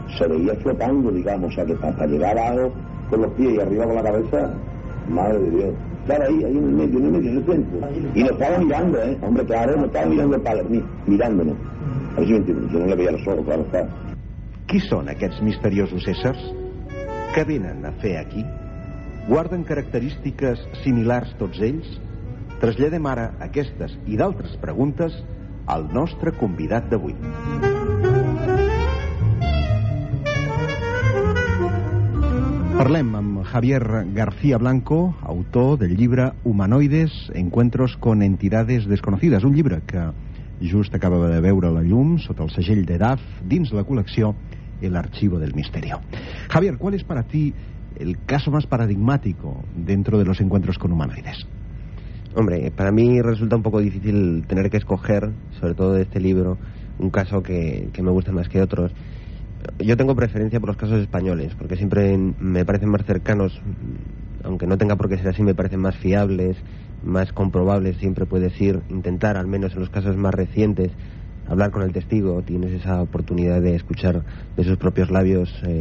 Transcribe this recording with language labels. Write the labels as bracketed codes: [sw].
[es] Se veía flotando, digamos, o sea, que hasta llegar abajo con los pies y arriba con la cabeza, madre de Dios. Estaba ahí en el medio, en el centro. Y nos estaba mirando, hombre, claro, nos estaba mirando el padre, mirándonos. A ver si me entiendes, yo no le veía los ojos, claro, está. [ca] Qui són aquests misteriosos éssers? Què venen a fer aquí? Guarden característiques similars tots ells? Traslladem ara aquestes i d'altres preguntes al nostre convidat d'avui. Parlem amb Javier García Blanco, autor del llibre Humanoides, Encuentros con Entidades Desconocidas, un llibre que just acaba de veure la llum sota el segell de DAF dins la col·lecció El Archivo del Misterio. [es] Javier, ¿cuál es para ti el caso más paradigmático dentro de los encuentros con humanoides? Hombre, para mí resulta un poco difícil tener que escoger, sobre todo de este libro, un caso que me guste más que otros. Yo tengo preferencia por los casos españoles, porque siempre me parecen más cercanos, aunque no tenga por qué ser así, me parecen más fiables, más comprobables, siempre puedes ir, intentar, al menos en los casos más recientes, hablar con el testigo, tienes esa oportunidad de escuchar de sus propios labios